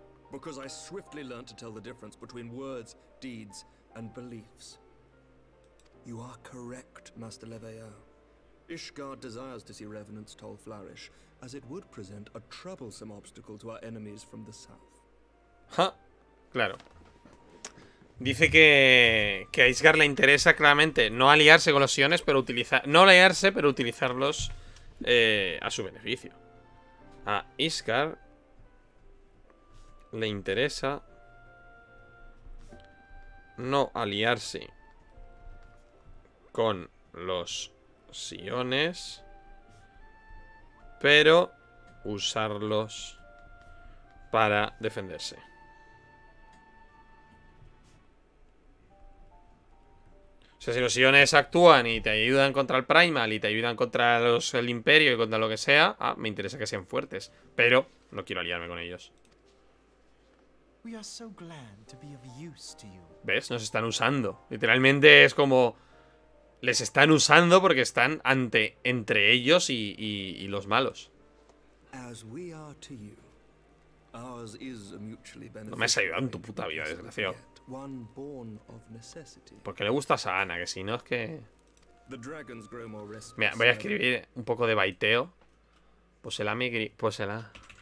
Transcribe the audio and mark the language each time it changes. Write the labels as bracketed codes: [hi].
[en] Because I swiftly learned to tell the difference between words, deeds, and beliefs. You are correct, Master Leveo. Ishgard desires to see Revenant's Toll flourish, as it would present a troublesome obstacle to our enemies from the south. [es] Ha! Claro. Dice que a Ishgard le interesa claramente no aliarse con los Siones, pero utilizar. No aliarse, pero utilizarlos a su beneficio. A Ishgard le interesa no aliarse con los Siones, pero usarlos para defenderse. O sea, si los Siones actúan y te ayudan contra el Primal y te ayudan contra el Imperio y contra lo que sea, ah, me interesa que sean fuertes, pero no quiero aliarme con ellos. [en] We are so glad to be of use to you. [es] ¿Ves? Nos están usando. Literalmente es como... Les están usando porque están ante entre ellos y los malos. [en] As we are to you, ours is a mutually beneficial. [es] No me has ayudado en tu puta vida, desgraciado. [en] One born of necessity. [es] Porque le gustas a Ana, que si no es que... [en] The dragons grow more restless. [es] Mira, voy a escribir un poco de baiteo. Pósela, mi gri... Pósela.